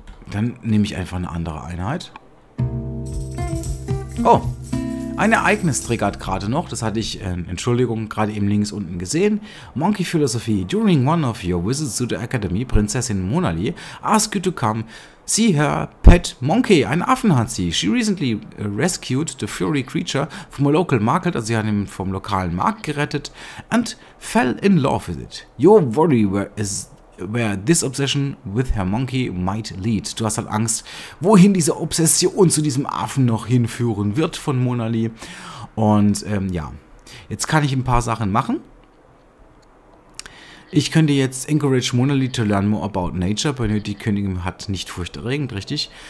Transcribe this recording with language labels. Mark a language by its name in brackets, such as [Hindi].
[German] Dann nehme ich einfach eine andere Einheit. Oh, ein Ereignis triggert gerade noch, das hatte ich, Entschuldigung, gerade eben links unten gesehen. [English] Monkey Philosophy, during one of your visits to the Academy, Prinzessin Monali asked you to come. See her pet monkey, [German] ein Affen hat sie. [English] She recently rescued the furry creature from a local market, [German] also sie hat ihn vom lokalen Markt gerettet, [English] and fell in love with it. Your worry where this obsession with her monkey might lead. [German] Du hast halt Angst, wohin diese Obsession zu diesem Affen noch hinführen wird von Monali. Und ja, jetzt kann ich ein paar Sachen machen. Ich könnte jetzt [English] encourage Monali to learn more about nature, [German] weil die Königin hat nicht furchterregend, richtig?